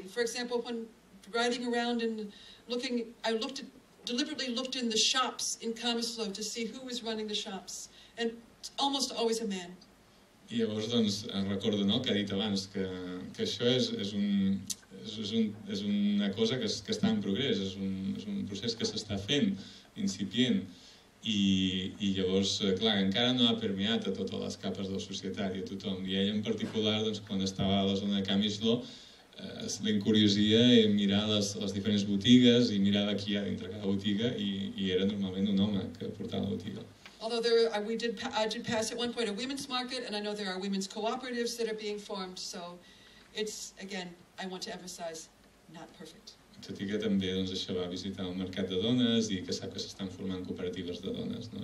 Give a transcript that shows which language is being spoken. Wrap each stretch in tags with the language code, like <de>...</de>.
<en>For example, when riding around and looking, I deliberately looked in the shops in Kamislo to see who was running the shops, and it's almost always a man.</en> <ca>I llavors doncs recordo, no, que ha dit abans que això és una cosa que està en progrés, és un procés que s'està fent incipient. I llavors, clar, encara no ha permeat a totes les capes de la societat i a tothom. I ell en particular, doncs, quan estava a la zona de Camp Isló, l'encuriosia en mirar les diferents botigues i mirar qui hi ha dintre cada botiga i era normalment un home que portava la botiga.</ca> <en>Although there are, I did pass at one point a women's market, and I know there are women's cooperatives that are being formed, so it's, again, I want to emphasize, not perfect.</en> <ca>Tot i que també, doncs, això va visitar el mercat de dones i que sap que s'estan formant cooperatives de dones, no?</ca>